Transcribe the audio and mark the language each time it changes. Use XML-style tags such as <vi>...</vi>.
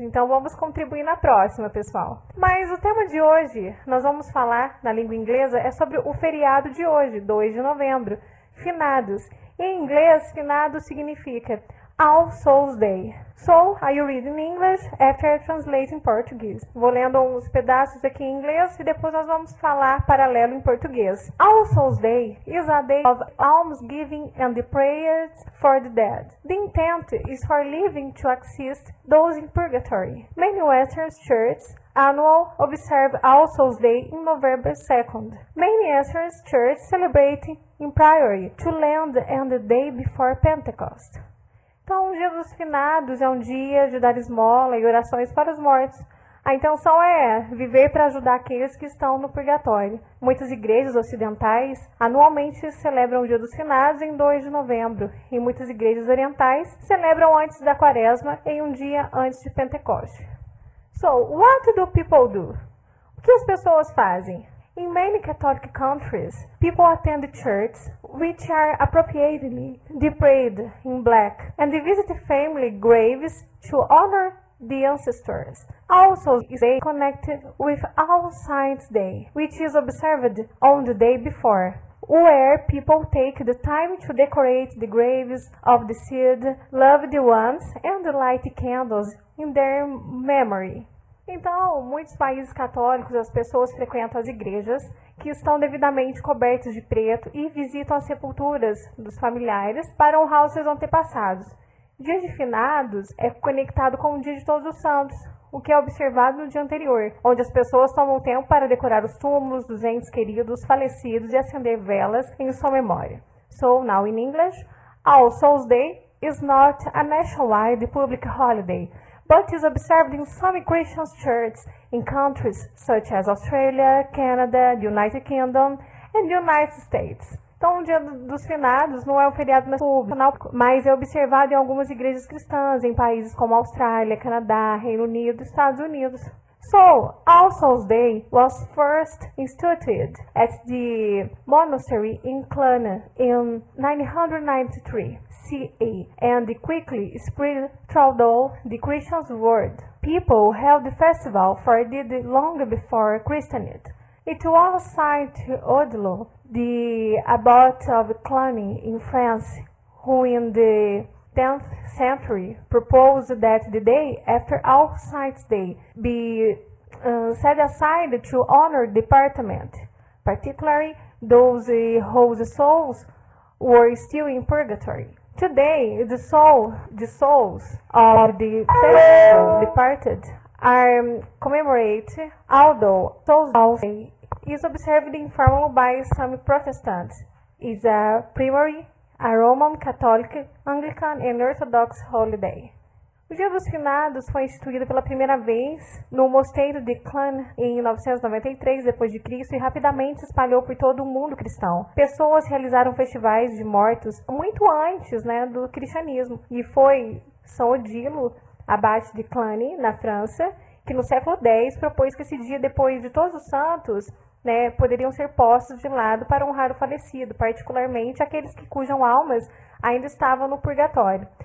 <pt>Então, vamos contribuir na próxima, pessoal. Mas o tema de hoje, nós vamos falar na língua inglesa, é sobre o feriado de hoje, 2 de novembro, finados. Em inglês, finado significa All Souls Day.</pt> <en>So, are you reading in English after I translate in Portuguese?</en> <pt>Vou lendo uns pedaços aqui em inglês e depois nós vamos falar paralelo em português.</pt> <en>All Souls Day is a day of almsgiving and the prayers for the dead. The intent is for living to assist those in purgatory. Many Western churches annual observe All Souls Day in November 2nd. Many Western churches celebrate in priory to land and the day before Pentecost.</en> <pt>Então, o dia dos finados é um dia de dar esmola e orações para os mortos. A intenção é viver para ajudar aqueles que estão no purgatório. Muitas igrejas ocidentais anualmente celebram o dia dos finados em 2 de novembro. E muitas igrejas orientais celebram antes da quaresma em um dia antes de Pentecoste.</pt> <en>So, what do people do?</en> <pt>O que as pessoas fazem?</pt> <en>In many Catholic countries, people attend churches which are appropriately draped in black and visit family graves to honor the ancestors. Also, they connected with All Saints Day, which is observed on the day before, where people take the time to decorate the graves of the deceased, loved ones, and light candles in their memory.</en> <pt>Então, muitos países católicos, as pessoas frequentam as igrejas que estão devidamente cobertas de preto e visitam as sepulturas dos familiares para honrar os seus antepassados. Dia de finados é conectado com o Dia de Todos os Santos, o que é observado no dia anterior, onde as pessoas tomam tempo para decorar os túmulos dos entes queridos falecidos e acender velas em sua memória.</pt> <en>So, now in English, All Souls Day is not a nationwide public holiday, but is observed in some Christian churches in countries such as Australia, Canada, the United Kingdom, and the United States.</en> <pt>Então, o Dia dos Finados não é um feriado nacional, mas é observado em algumas igrejas cristãs em países como Austrália, Canadá, Reino Unido, Estados Unidos.</pt> <en>So, All Souls Day was first instituted at the monastery in Clun in 993 CE and quickly spread throughout the Christian world. People held the festival for it long before Christianity. It was assigned to Odilo, the abbot of Cluny in France, who in the 10th century proposed that the day after All Saints Day be set aside to honor the departed, particularly those whose souls were still in purgatory. Today, the souls of the faithful departed are commemorated, although Souls Day is observed informally by some Protestants. It's a primary, a Roman Catholic, Anglican, and Orthodox holiday.</en> <pt>O Dia dos Finados foi instituído pela primeira vez no mosteiro de Clun em 993 d.C. e rapidamente se espalhou por todo o mundo cristão. Pessoas realizaram festivais de mortos muito antes, né, do cristianismo. E foi São Odilo, abate de Cluny, na França, que no século X propôs que esse dia, depois de Todos os Santos, né, poderiam ser postos de lado para honrar o falecido, particularmente aqueles que cujas almas ainda estavam no purgatório.</pt>